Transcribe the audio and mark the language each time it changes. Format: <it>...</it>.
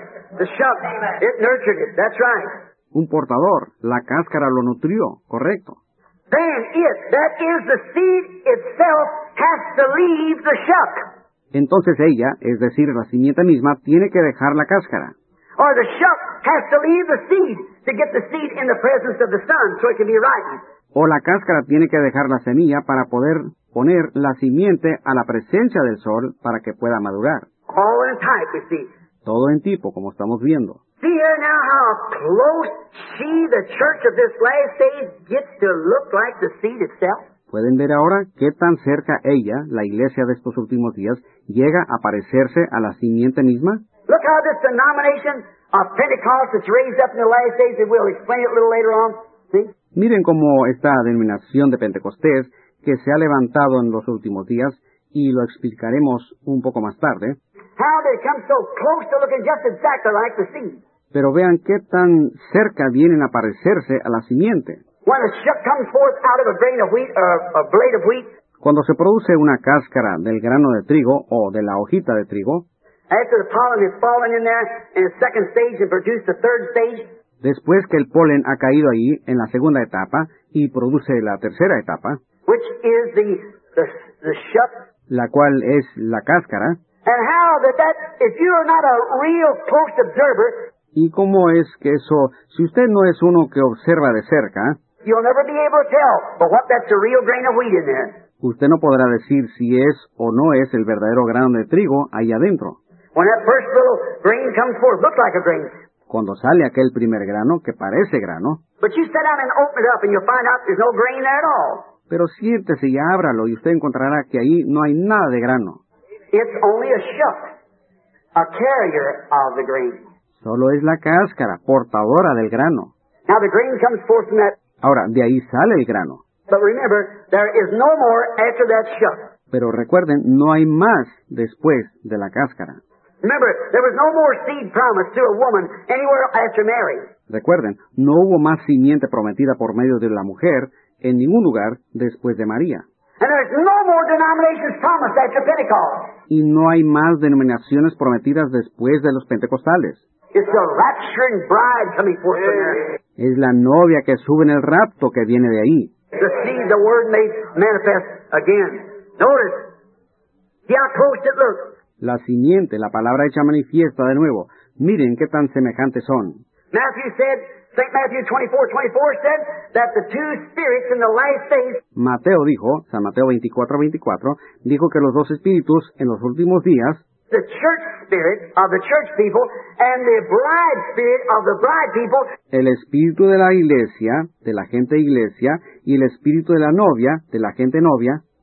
<en>The shuck, it nurtured it, that's right.</en> <es>Un portador, la cáscara lo nutrió, correcto.</es> <en>Then it, that is the seed itself, has to leave the shuck.</en> <es>Entonces ella, es decir, la simiente misma, tiene que dejar la cáscara.</es> <en>Or the shuck has to leave the seed to get the seed in the presence of the sun so it can be ripened.</en> <es>O la cáscara tiene que dejar la semilla para poder poner la simiente a la presencia del sol para que pueda madurar.</es> <en>All in type, you see.</en> <es>Todo en tipo, como estamos viendo.</es> <en>See here now how close she, the church of this last day, gets to look like the seed itself?</en> <es>¿Pueden ver ahora qué tan cerca ella, la iglesia de estos últimos días, llega a parecerse a la simiente misma?</es> <en>Look how this denomination of Pentecost that's raised up in the last days, and we'll explain it a little later on. See?</en> <es>Miren cómo esta denominación de Pentecostés que se ha levantado en los últimos días, y lo explicaremos un poco más tarde.</es> <en>How they come so close to looking just exactly like the seed.</en> <es>Pero vean qué tan cerca vienen a parecerse a la simiente.</es> <en>When a shuck comes forth out of a grain of wheat, or a blade of wheat.</en> <es>Cuando se produce una cáscara del grano de trigo o de la hojita de trigo.</es> <en>After the pollen has fallen in there in the second stage and produced the third stage.</en> <es>Después que el polen ha caído allí en la segunda etapa y produce la tercera etapa.</es> <en>Which is the shuck.</en> <es>La cual es la cáscara.</es> <en>And how that if you are not a real close observer,</en> <es>y cómo es que eso, si usted no es uno que observa de cerca,</es> <en>you'll never be able to tell, but what that's a real grain of wheat in there.</en> <es>Usted no podrá decir si es o no es el verdadero grano de trigo ahí adentro.</es> <en>When that first little grain comes forth, looks like a grain.</en> <es>Cuando sale aquel primer grano, que parece grano.</es> <en>But you sit down and open it up and you'll find out there's no grain there at all.</en> <es>Pero siéntese y ábralo y usted encontrará que ahí no hay nada de grano.</es> <en>It's only a shuck, a carrier of the grain.</en> <es>Solo es la cáscara, portadora del grano.</es> <en>Now the grain comes forth from that.</en> <es>Ahora, de ahí sale el grano.</es> <en>But remember, there is no more after that shuck.</en> <es>Pero recuerden, no hay más después de la cáscara.</es> <en>Remember, there was no more seed promised to a woman anywhere after marriage.</en> <es>Recuerden, no hubo más simiente prometida por medio de la mujer en ningún lugar después de María.</es> <en>And there's no more denominations promised after Pentecost.</en> <es>Y no hay más denominaciones prometidas después de los pentecostales.</es> <en>It's the rapturing bride coming forth from there.</en> <es>Es la novia que sube en el rapto que viene de ahí.</es> <en>The seed, the word made manifest again. Notice how close it looks.</en> <es>La simiente, la palabra hecha manifiesta de nuevo. Miren qué tan semejantes son.</es> <en>Matthew said, St. Matthew 24:24 said that the two spirits in the last days.</en> <es>Mateo dijo, San Mateo 24:24, dijo que los dos espíritus en los últimos días.</es> <en>The church spirit of the church people and the bride spirit of the bride people.</en> <es>El espíritu de la iglesia, de la gente iglesia, y el espíritu de la novia, de la gente novia.</es>